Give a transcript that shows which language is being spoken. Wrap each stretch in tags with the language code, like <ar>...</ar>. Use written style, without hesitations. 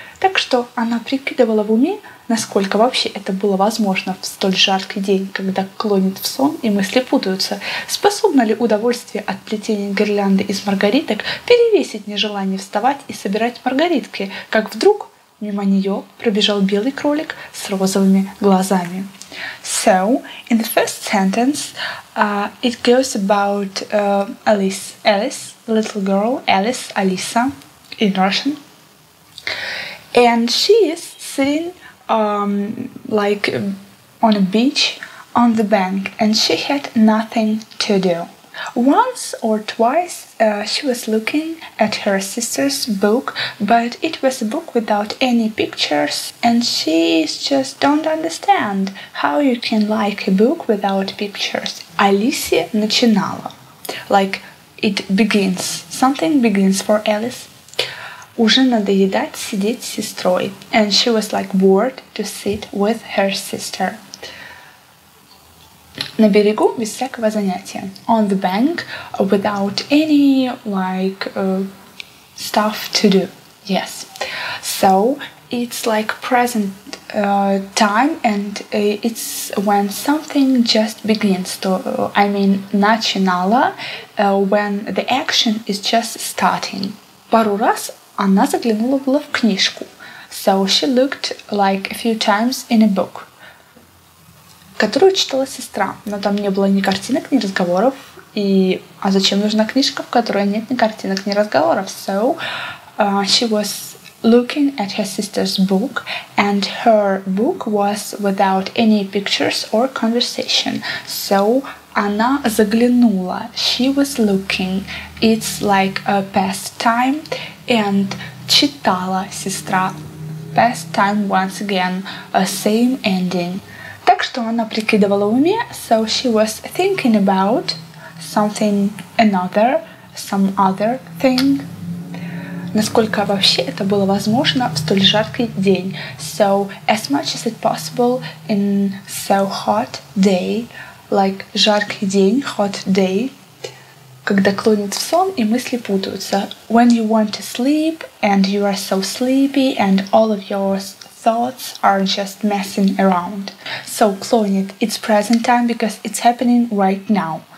<ru>Так что она прикидывала в уме, насколько вообще это было возможно в столь жаркий день, когда клонит в сон и мысли путаются. Способно ли удовольствие от плетения гирлянды из маргариток перевесить нежелание вставать и собирать маргаритки, как вдруг мимо нее пробежал белый кролик с розовыми глазами.</ru> <en>So, in the first sentence, it goes about Alice, little girl, Alice, in Russian. And she is sitting like on a beach on the bank and she had nothing to do. Once or twice she was looking at her sister's book, but it was a book without any pictures and she just don't understand how you can like a book without pictures. Alice</en> <ru>начинала.</ru> <en>Like it begins. Something begins for Alice.</en> <ru>Уже надоедать сидеть с сестрой.</ru> <en>And she was like bored to sit with her sister.</en> <ru>На берегу без всякого занятия.</ru> <en>On the bank without any like stuff to do. Yes. So it's like present time and it's when something just begins to,</en> <ru>начинала,</ru> <en>when the action is just starting.</en> <ru>Пару раз она заглянула была в книжку.</ru> <en>So she looked like a few times in a book,</en> <ru>которую читала сестра. Но там не было ни картинок, ни разговоров. И а зачем нужна книжка, в которой нет ни картинок, ни разговоров?</ru> <en>So she was looking at her sister's book, and her book was without any pictures or conversation. So</en> <ru>она заглянула.</ru> <en>She was looking. It's like a past time. And</en> <ru>читала сестра.</ru> <en>Past time once again. A same ending.</en> <ru>Так что она прикидывала в уме.</ru> <en>So she was thinking about something another. Some other thing.</en> <ru>Насколько вообще это было возможно в столь жаркий день.</ru> <en>So as much as it possible in so hot day. Like</en> <ru>жаркий день,</ru> <en>hot day.</en> <ru>Когда клонит в сон и мысли путаются.</ru> <en>When you want to sleep and you are so sleepy and all of your thoughts are just messing around. So</en> <ru>клонит.</ru> <en>It's present time because it's happening right now.</en>